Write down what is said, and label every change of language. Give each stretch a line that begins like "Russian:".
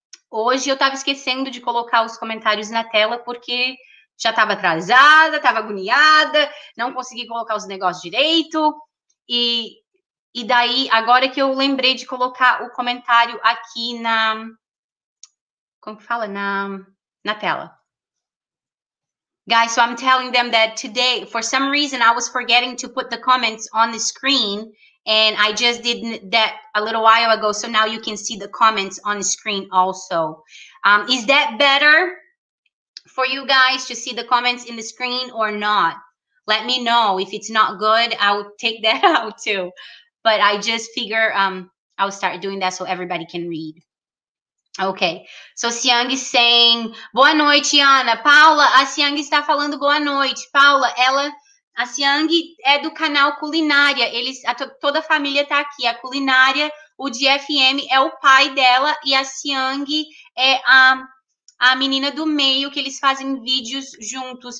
Portuguese: Hoje eu tava esquecendo de colocar os comentários na tela. Porque já tava atrasada. Tava agoniada. Não consegui colocar os negócios direito. E daí, agora que eu lembrei de colocar o comentário aqui na... Como que fala? Na tela.
English: Guys, so I'm telling them that today, for some reason, I was forgetting to put the comments on the screen. And I just did that a little while ago. So now you can see the comments on the screen also. Is that better for you guys to see the comments in the screen or not? Let me know. If it's not good, I'll take that out too. But I just figure I'll start doing that so everybody can read. Okay. So Siang is saying,
Portuguese: boa noite,
English: Ana.
Portuguese: Paula, a Siang está falando boa noite. Paula, ela, a Siang é do canal Culinária. Eles, toda a família está aqui. A Culinária, o GFM é o pai dela. E a Siang é a menina do meio que eles fazem vídeos juntos.